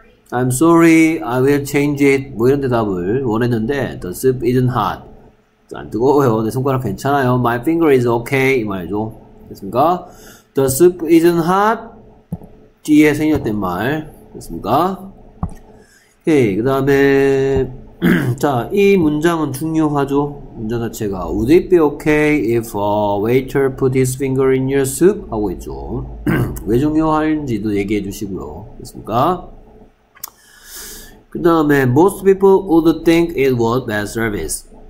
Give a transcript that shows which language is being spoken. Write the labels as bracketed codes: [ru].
[en] I'm sorry. I will change it. [ko] 뭐 이런 대답을 원했는데 [en] The soup isn't hot. [ko] 안 뜨거워요. 내 손가락 괜찮아요. [en] My finger is okay. [ko] 이 말이죠. 됐습니까? [en] The soup isn't hot. [ko] 뒤에 생략된 말. 됐습니까? 오케이. 그 다음에, 자, 이 문장은 중요하죠. 문장 자체가. [en] Would it be okay if a waiter put his finger in your soup? [ko] 하고 있죠. 왜 중요한지도 얘기해 주시고요. 됐습니까? 그 다음에, [en] most people would think it was bad service.